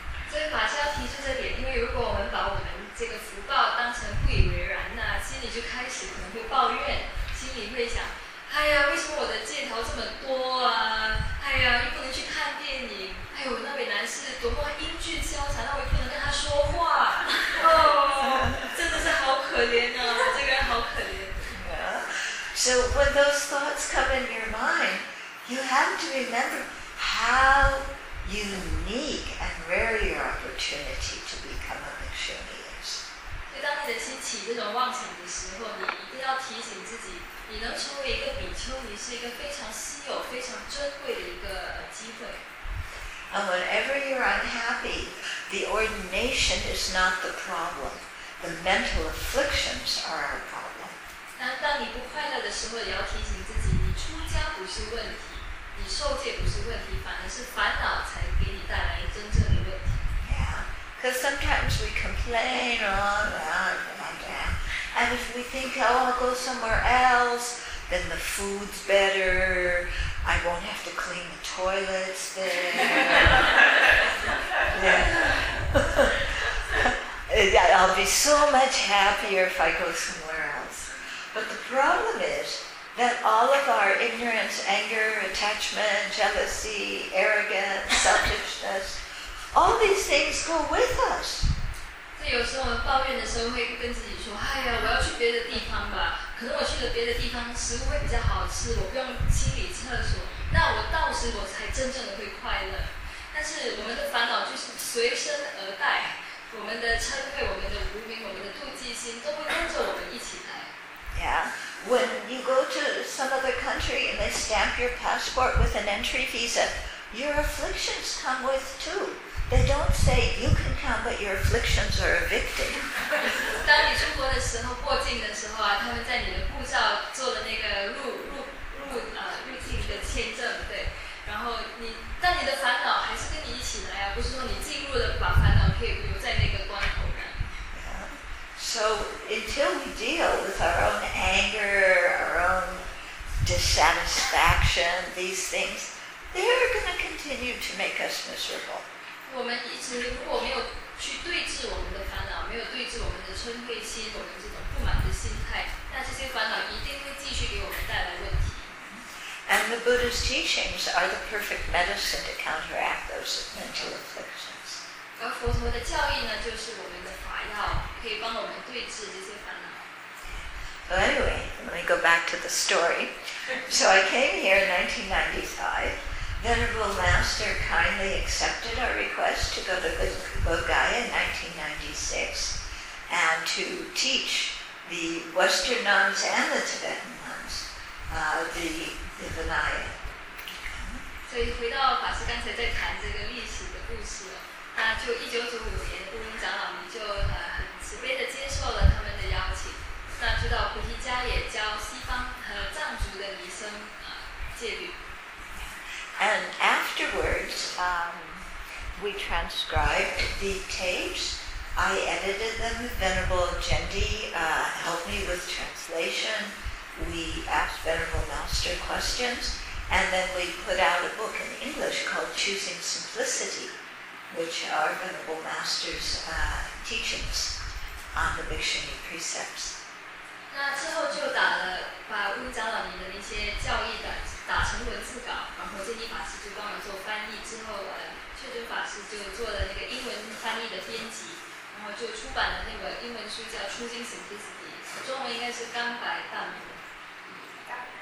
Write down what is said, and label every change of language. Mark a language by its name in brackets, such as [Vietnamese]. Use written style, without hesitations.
[Chinese] 所以法师要提出这点，因为如果我们把我们这个福报当成不以为然，那心里就开始可能会抱怨。你会想，哎呀，为什么我的戒条这么多啊？哎呀，又不能去看电影。哎呦，那位男士多么英俊潇洒，那我又不能跟他说话。哦，真的是好可怜啊，这个人好可怜。 [English] So when those thoughts come in your mind, you have to remember how unique and rare your opportunity to become a missionary is. [Chinese] 所以，当你的心起这种妄想的时候，你一定要提醒自己。你能成为一个比丘尼是一个非常稀有非常珍贵的一个机会。 [English] And whenever you're unhappy, the ordination is not the problem. The mental afflictions are our problem. [Chinese] 当你不快乐的时候，也要提醒自己，你出家不是问题，你受戒不是问题，反而是烦恼才给你带来真正的问题。 [English] Yeah, because sometimes we complain on and on and on. And if we think, oh, I'll go somewhere else, then the food's better, I won't have to clean the toilets there. Yeah. I'll be so much happier if I go somewhere else. But the problem is that all of our ignorance, anger, attachment, jealousy, arrogance, selfishness, all these things go with us. [Chinese] 所以有时候我们抱怨的时候会跟自己说，哎呀，我要去别的地方吧，可能我去了别的地方食物会比较好吃，我不用清理厕所，那我到时我才真正的会快乐。但是我们的烦恼就是随身而带，我们的嗔恚，我们的无明，我们的妒忌心都会跟着我们一起来。 [English] Yeah, when you go to some other country and they stamp your passport with an entry visa, your afflictions come with too. They don't say you can come but your afflictions are evicted. [Chinese] 当你出国的时候，过境的时候啊，他们在你的护照做了那个入境的签证，对，然后你但你的烦恼还是跟你一起来啊，不是说你进入了把烦恼可以留在那个关口的。 [English] So until we deal with our own anger, our own dissatisfaction, these things, they are going to continue to make us miserable. [Chinese] 我们一直如果没有去对治我们的烦恼，没有对治我们的嗔恚心，我们这种不满的心态，那这些烦恼一定会继续给我们带来问题。 [English] And the Buddha's teachings are the perfect medicine to counteract those mental afflictions. [Chinese] 而佛陀的教义呢，就是我们的法药，可以帮我们对治这些烦恼。 [English] So anyway, let me go back to the story. So I came here in 1995. Venerable Master kindly accepted our request to go to Bodhgaya in 1996 and to teach the Western nuns and the Tibetan nuns the Vinaya. [Chinese] 所以回到法师刚才在谈这个历史的故事，那就1995年，乌云长老们就很慈悲地接受了他们的邀请，那就到菩提迦也教西方和藏族的尼僧戒律。 [English] And afterwards, we transcribed the tapes. I edited them. Venerable Jendi helped me with translation. We asked Venerable Master questions. And then we put out a book in English called Choosing Simplicity, which are Venerable Master's teachings on the Bhikshuni precepts. [Chinese] 那之后就打了把乌云长老您的那些教义的打成文字稿，然后建议法师就帮我做翻译，之后确诊法师就做了那个英文翻译的编辑，然后就出版了那本英文书叫 Choosing Simplicity， 中文应该是甘白淡泊。